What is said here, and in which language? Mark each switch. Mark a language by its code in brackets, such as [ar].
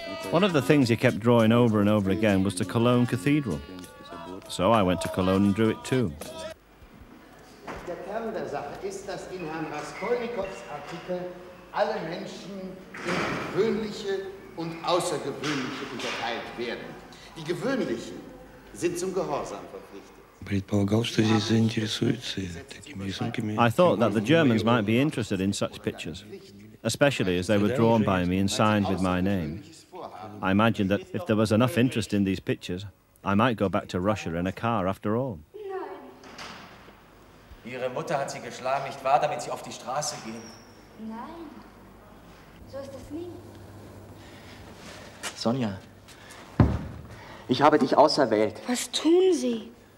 [en] One of the things he kept drawing over and over again was the Cologne Cathedral. So I went to Cologne and drew it too. [de] Der Kern der Sache ist, dass in Herrn Raskolnikows Artikel alle Menschen in gewöhnliche und außergewöhnliche unterteilt werden. Die gewöhnlichen sind zum Gehorsam verpflichtet. [en] I thought that the Germans might be interested in such pictures, especially as they were drawn by me and signed with my name. I imagined that if there was enough interest in these pictures, I might go back to Russia in a car after all. [de] Ihre Mutter hat sie geschlagen, nicht wahr, damit sie auf die Straße gehen? Nein, so ist es nie. Sonja, ich habe dich auserwählt. Was tun Sie?